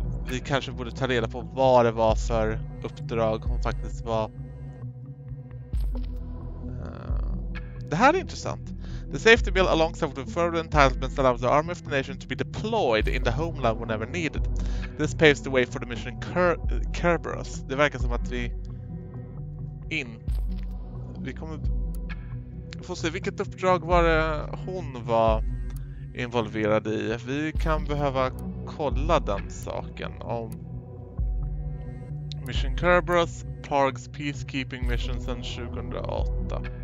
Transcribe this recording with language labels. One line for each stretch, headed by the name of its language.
Swedish: Vi kanske borde ta reda på vad det var för uppdrag hon faktiskt var. Det här är intressant.
English: The safety bill alongside with the further entitlements allows the army of the nation to be deployed in the homeland whenever needed. This paves the way for the mission Kerberos.
Swedish: Det verkar som att vi får se vilket uppdrag var det hon var involverad i. Vi kan behöva kolla den saken om Mission Kerberos, Parks Peacekeeping Mission sedan 2008.